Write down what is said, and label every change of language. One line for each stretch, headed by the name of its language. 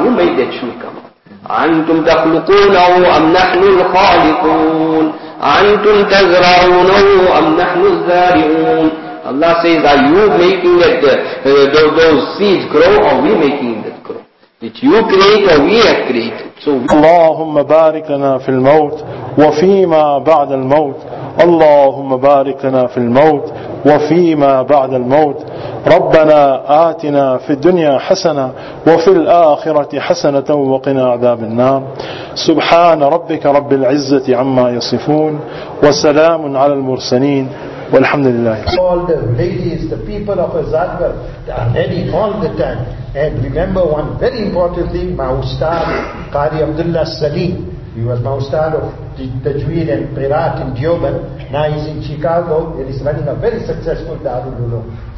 English: Who made that shoot come up?
Arabic: أَنْتُمْ تَخْلُقُونَهُ أَمْ نَحْنُ الْخَالِقُونَ. أَنْتُمْ تَزْرَعُونَهُ أَمْ نَحْنُ الزَّارِعُونَ.
English: Allah says, are you making those seeds grow, or we making that grow? Did you create or we have created? So
Arabic: اللهم بارك لنا في الموت وفيما بعد الموت. اللهم بارك لنا في الموت وفيما بعد الموت. ربنا آتنا في الدنيا حسنة وفي الآخرة حسنة وقنا عذاب النار. سبحان ربك رب العزة عما يصفون وسلام على المرسلين والحمد لله.
English: All the ladies, the people of Azadgar, they are ready all the time. And remember one very important thing, my ustad, Qari Abdullah Saleem. He was my ustad of Tajweed and Qiraat in Dioban. Now he's in Chicago and he's running a very successful Darul Uloom.